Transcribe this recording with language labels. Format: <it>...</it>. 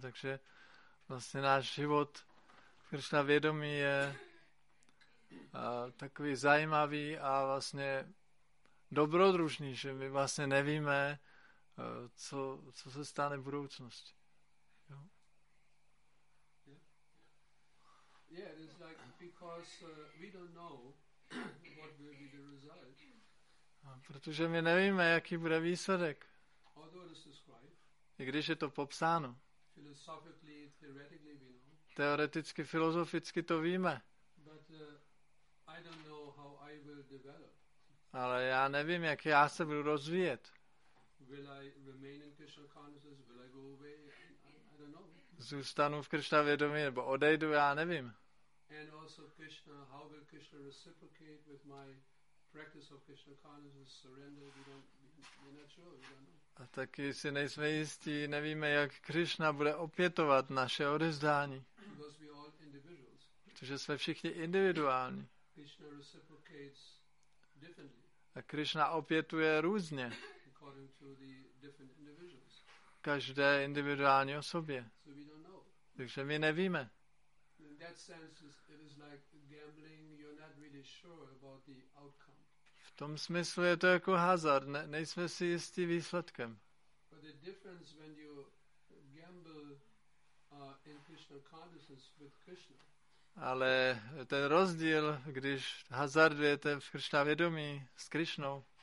<cs>Takže vlastně náš život v Krišna vědomí je takový zajímavý a vlastně dobrodružný, že my vlastně nevíme, co se stane v budoucnosti.</cs> <en>Yeah, it is like because we don't know what will be the result.</en> <cs>Protože my nevíme, jaký bude výsledek. I když je to popsáno.</cs> <en>Philosophically, theoretically we know.</en> <cs>Teoreticky, filozoficky to víme.</cs> <en>But I don't know how I will develop.</en> <cs>Ale já nevím, jak já se budu rozvíjet.</cs> <en>Will I remain in Krishna consciousness? Will I go away? I don't know.</en> <cs>Zůstanu v Krišna vědomí nebo odejdu, já nevím.</cs> <en>And also Krishna, how will Krishna reciprocate with my practice of Krishna consciousness surrender? We don't know.</en> <cs>A taky si nejsme jistí, nevíme, jak Krishna bude opětovat naše odevzdání.</cs> <en>Because we are all individuals.</en> <cs>Protože jsme všichni individuální.</cs> <en>Krishna reciprocates differently.</en> <cs>A Krishna opětuje různě.</cs> <en>According to the different individuals.</en> <cs>Každé individuální osobě.</cs> <en>So we don't know.</en> <cs>Takže my nevíme.</cs> <en>In that sense, it is like gambling. You're not really sure about the outcome.</en> <cs>V tom smyslu je to jako hazard. Nejsme si jistí výsledkem. But the difference when you gamble in Krishna consciousness with Krishna. Ale ten rozdíl, když hazardujete v Krishna vědomí s Krishnou.</cs>